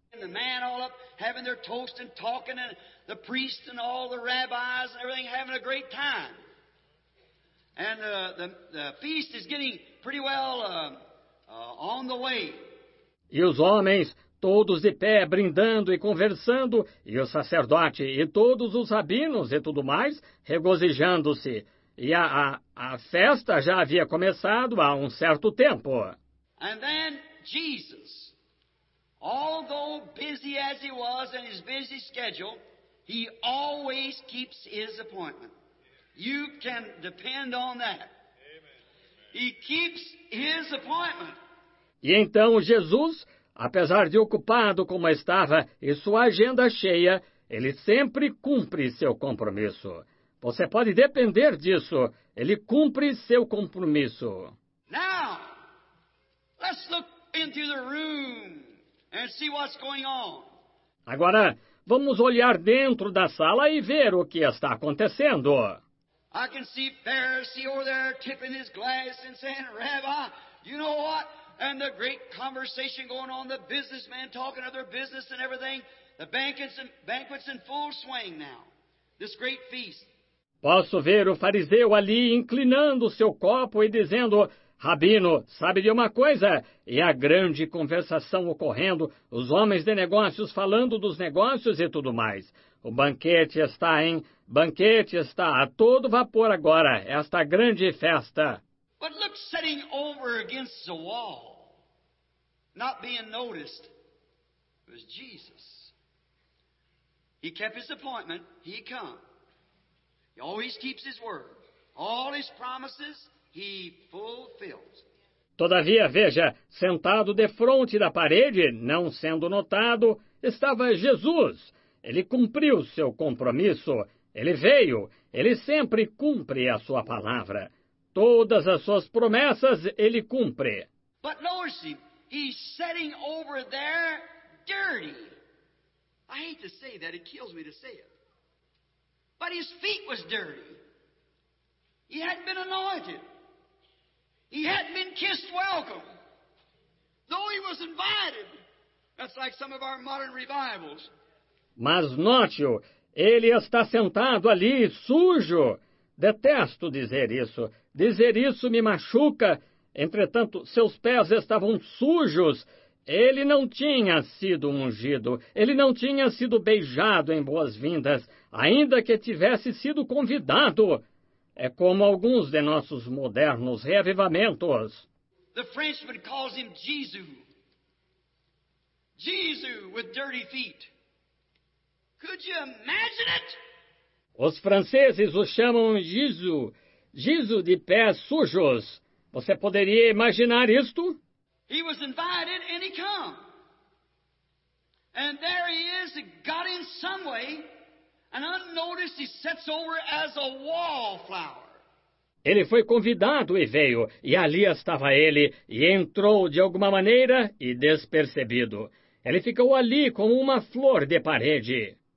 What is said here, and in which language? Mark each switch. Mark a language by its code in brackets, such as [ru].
[en] And the man all up having their toast and talking, and the priest and all the rabbis and everything having a great time. And the feast is getting pretty well on the way. [pt] E os homens, todos de pé, brindando e conversando, e o sacerdote e todos os rabinos e tudo mais, regozijando-se. E a festa já havia começado há um certo tempo. [en] And then Jesus, although busy as he was in his busy schedule, he always keeps his appointment. You can depend on that. Amen. He keeps his appointment. [pt] E então Jesus, apesar de ocupado como estava e sua agenda cheia, ele sempre cumpre seu compromisso. Você pode depender disso. Ele cumpre seu compromisso. [en] Now, let's look into the room and see what's going on. [pt] Agora, vamos olhar dentro da sala e ver o que está acontecendo. [en] I can see Pharisee over there tipping his glass and saying, Rabbi, you know what? And the great conversation going on, the businessman talking of their business and everything. The banquet's in full swing now, this great feast. [pt] Posso ver o fariseu ali inclinando seu copo e dizendo: Rabino, sabe de uma coisa? E a grande conversação ocorrendo, os homens de negócios falando dos negócios e tudo mais. O banquete está, hein? Banquete está a todo vapor agora, esta grande festa. [en] But look, sitting over against the wall, not being noticed, was Jesus. He kept his appointment, he come. He always keeps his word. All his promises, he fulfills. [pt] Todavia, veja, sentado defronte da parede, não sendo notado, estava Jesus. Ele cumpriu seu compromisso. Ele veio. Ele sempre cumpre a sua palavra. Todas as suas promessas, ele cumpre. [en] But notice him. He's sitting over there dirty. I hate to say that. It kills me to say it. But his feet was dirty. He hadn't been anointed. He hadn't been kissed welcome. Though he was invited. That's like some of our modern revivals. [pt] Mas note-o, ele está sentado ali, sujo. Detesto dizer isso. Dizer isso me machuca. Entretanto, seus pés estavam sujos. Ele não tinha sido ungido. Ele não tinha sido beijado em boas-vindas, ainda que tivesse sido convidado. É como alguns de nossos modernos reavivamentos. [en] The Frenchman calls him Jesus. Jesus with dirty feet. Could you imagine it? [pt] Os franceses o chamam Jesus. Jesus de pés sujos. Você poderia imaginar isto? [en] He was invited and he come. And there he is, got in some way, and unnoticed he sits over as a wallflower. [pt] Ele foi convidado e veio, e ali estava ele, e entrou de alguma maneira e despercebido. Ele ficou ali como uma flor de parede.